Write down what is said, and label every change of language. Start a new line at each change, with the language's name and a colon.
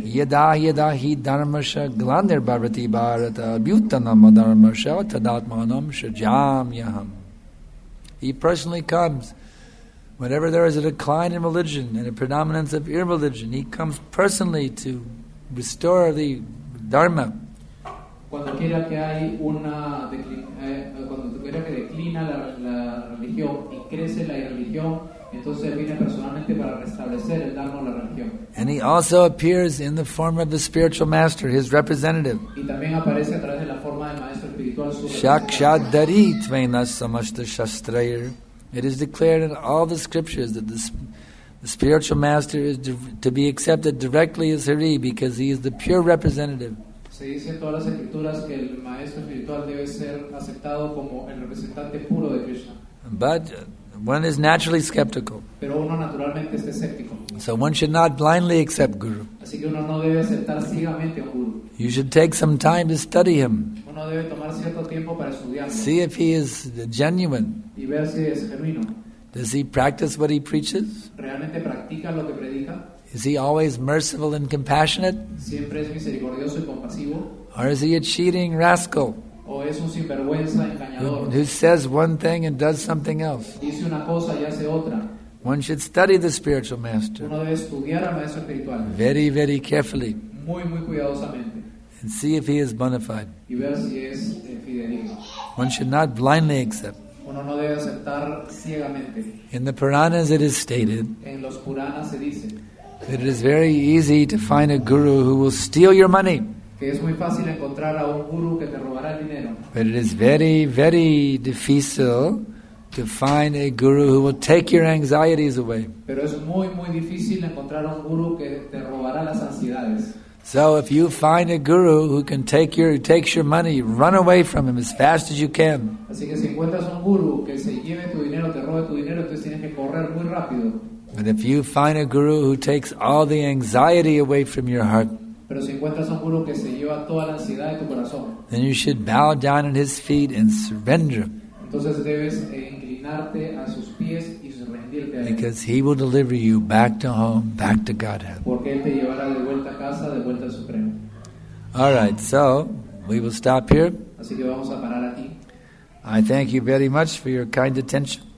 Sanskrit: Yada yada hi dharmasya glandir bharati bharata bhutanam dharmasya tadatmanam shajamyaham.
English: He personally comes. Whenever there is a decline in religion and a predominance of irreligion, he comes personally to restore the dharma.
Spanish: Cuando quiera que hay una cuando quiera que declina la religión y crece la irreligión, entonces viene personalmente para restablecer el dharma o la religión.
English: And he also appears in the form of the spiritual master, his representative.
Spanish: Y también aparece a través de la forma del maestro espiritual, su
Sanskrit: Shakshat dari tvena samasta shastrair.
English: It is declared in all the scriptures that the spiritual master is to be accepted directly as Hari because he is the pure representative.
Spanish: Se dice en todas las escrituras que el maestro espiritual debe ser aceptado como el representante puro de Krishna.
English: But one is naturally skeptical.
Spanish: Pero uno naturalmente es escéptico.
English: So one should not blindly accept Guru.
Spanish: Así que uno no debe aceptar ciegamente a un Guru.
English: You should take some time to study him.
Spanish: Uno debe tomar cierto tiempo para estudiarlo.
English: See if he is genuine.
Spanish: Y ver si es genuino.
English: Does he practice what he preaches?
Spanish: ¿Realmente practica lo que predica?
English: Is he always merciful and compassionate?
Spanish: ¿Siempre es misericordioso y compasivo?
English: Or is he a cheating rascal?
Spanish: ¿O es un sinvergüenza engañador?
English: Who says one thing and does something else?
Spanish: Dice una cosa y hace otra.
English: One should study the spiritual master.
Spanish: Uno debe estudiar al maestro espiritual.
English: Very, very carefully.
Spanish: Muy, muy cuidadosamente.
English: And see if he is bona fide.
Spanish: Y ver si es fidedigno.
English: One should not blindly accept.
Spanish: Uno no debe aceptar ciegamente.
English: In the Puranas it is stated.
Spanish: En los Puranas se dice.
English: That it is very easy to find a guru who will steal your money.
Spanish: Que es muy fácil encontrar a un guru que te robará el dinero.
English: But it is very, very difficult to find a guru who will take your anxieties away.
Spanish: Pero es muy, muy difícil encontrar a un guru que te robará las ansiedades.
English: So if you find a guru who can take your takes your money, run away from him as fast as you can.
Spanish: Así que si encuentras un guru que se lleve tu dinero, te robe tu dinero, entonces tienes que correr muy rápido.
English: But if you find a guru who takes all the anxiety away from your heart,
Spanish: pero si encuentras un guru que se lleva toda la ansiedad de tu corazón,
English: then you should bow down at his feet and surrender.
Spanish: Entonces debes inclinarte a sus pies y rendirte a él.
English: Because he will deliver you back to home, back to Godhead.
Spanish: Porque él te llevará de vuelta a casa, de vuelta al Supremo.
English: All right, so we will stop here.
Spanish: Así que vamos a parar aquí.
English: I thank you very much for your kind attention.